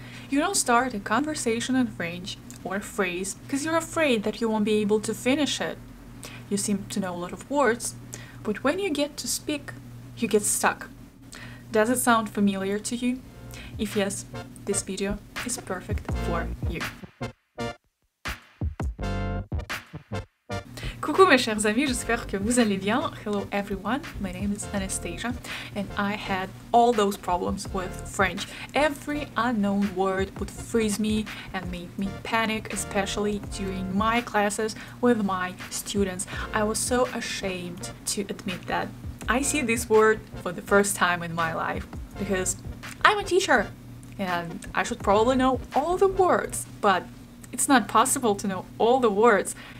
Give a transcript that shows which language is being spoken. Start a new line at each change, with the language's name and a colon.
English: You don't start a conversation in French or a phrase because you're afraid that you won't be able to finish it. You seem to know a lot of words, but when you get to speak, you get stuck. Does it sound familiar to you? If yes, this video is perfect for you.
French: Coucou mes chers amis, j'espère que vous allez bien.
English: Hello everyone, my name is Anastasia and I had all those problems with French. Every unknown word would freeze me and make me panic, especially during my classes with my students. I was so ashamed to admit that I see this word for the first time in my life because I'm a teacher and I should probably know all the words, but it's not possible to know all the words.